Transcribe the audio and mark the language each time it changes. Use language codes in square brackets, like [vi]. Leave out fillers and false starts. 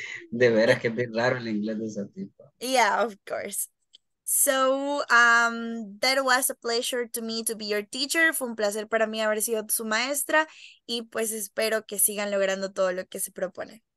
[es] De veras que es raro el inglés de ese tipo. [en] Yeah, of course. So, that was a pleasure to me to be your teacher. [es] Fue un placer para mí haber sido su maestra. Y pues espero que sigan logrando todo lo que se propone.